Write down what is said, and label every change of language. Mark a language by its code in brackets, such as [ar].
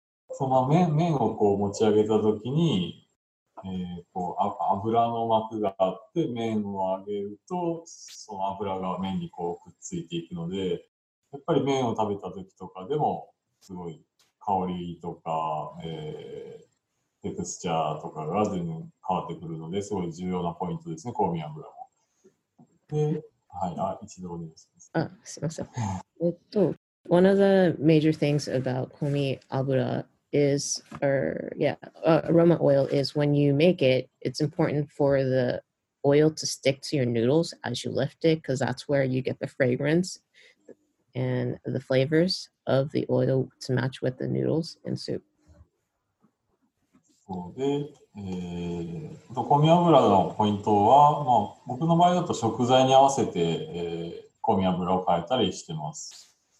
[ja] その麺をこう持ち上げた時に、こう油の膜があって麺を上げるとその油が麺にこうくっついていくので、やっぱり麺を食べた時とかでも。すごい香りとか、テクスチャーとかが全然変わってくるのですごい重要なポイントですね、香味油も。で、はい、あ、一度お願いします。あ、すみません。 [en] one of the major things about 香味油 is, aroma oil is when you make it, it's important for the oil to stick to your noodles as you lift it, because that's where you get the fragrance. And the flavors of the oil to match with the noodles and soup. [ja] そうで、コミ油のポイントは、まあ、僕の場合だと食材に合わせて、コミ油を変えたりしてます。